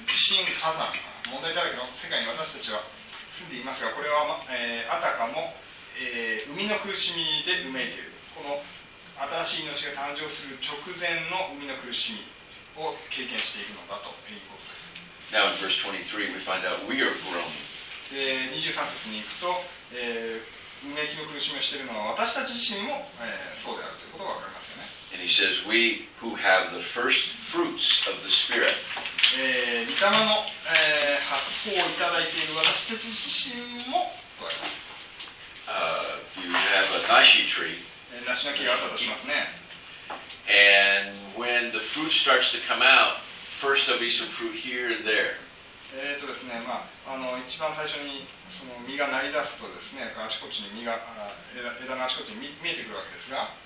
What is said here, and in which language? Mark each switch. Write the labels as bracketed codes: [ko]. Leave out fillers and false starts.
[ja] 地震、火山、問題だらけの世界に私たちは住んでいますが、これは、あたかも、生みの苦しみで埋めている。この新しい命が誕生する直前の生みの苦しみを経験しているのだということです。 [en] Now in verse 23 we find out we are groaning. [ja] 23節に行くと、うめきの苦しみをしているのは私たち自身も、そうであるということがわかりますよね。 [en] And he says, we who have the first fruits of the Spirit. [ja] 御霊の、初穂をいただいている私たち自身もとあります。 [en] If you have a nashi tree. [ja] 梨の木があったとしますね。 [en] And when the fruit starts to come out, first there'll be some fruit here and there. [ja] ですね、まあ、一番最初にその実がなり出すとですね、あちこちに実が、枝のあちこちに 見えてくるわけですが、